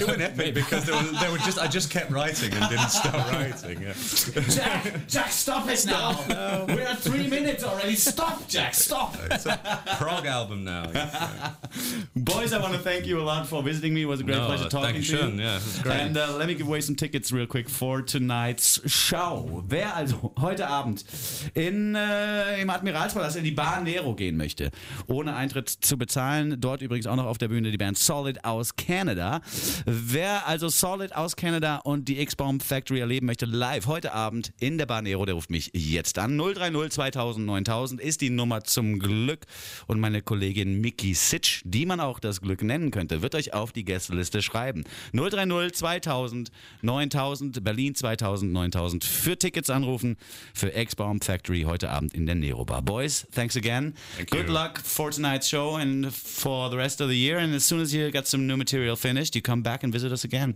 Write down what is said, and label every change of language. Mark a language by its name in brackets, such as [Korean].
[English] It went epic because I just kept writing and didn't stop writing. Yeah. Jack, stop it now. No. We're at 3 minutes already. Stop, Jack. Stop. It's a prog album now. Yeah. Boys, I want to thank you a lot for visiting me. It was a great pleasure talking to you. Yeah, it was great. And let me give away some tickets real quick for tonight's [German] Schau, wer also heute Abend im Admiralspalast in die Bar Nero gehen möchte, ohne Eintritt zu bezahlen, dort übrigens auch noch auf der Bühne die Band Solid aus Kanada. Wer also Solid aus Kanada und die X-Bomb Factory erleben möchte, live heute Abend in der Bar Nero, der ruft mich jetzt an. 030 2000 9000 ist die Nummer zum Glück. Und meine Kollegin Miki Sitsch, die man auch das Glück nennen könnte, wird euch auf die Gästeliste schreiben. 030 2000 9000, Berlin 2000 9000. Für Tickets anrufen für X-Bomb Factory heute Abend in der Nero Bar. [English] Boys, thanks again. Thank you. Good luck for tonight's show and for the rest of the year. And as soon as you get some new material finished, you come back and visit us again.